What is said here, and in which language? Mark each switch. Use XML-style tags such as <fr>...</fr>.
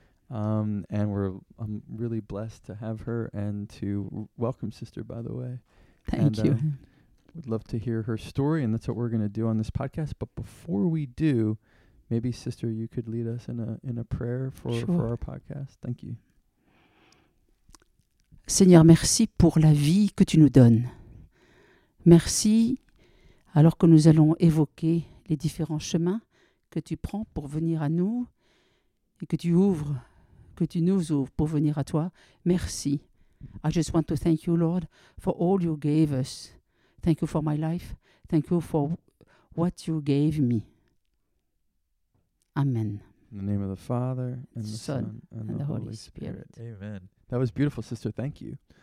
<en>And I'm really blessed to have her and to welcome Sister, by the way. Thank you. We'd love to hear her story, and that's what we're going to do on this podcast. But before we do, maybe Sister, you could lead us in a prayer for our podcast. Thank you.</en> <fr>Seigneur, merci pour la vie que tu nous donnes. Merci, alors que nous allons évoquer les différents chemins que tu prends pour venir à nous et que tu nous ouvres pour venir à toi. Merci.</fr> <en>I just want to thank you, Lord, for all you gave us. Thank you for my life. Thank you for what you gave me. Amen. In the name of the Father, and the Son, and the Holy Spirit. Amen. That was beautiful, Sister. Thank you.</en>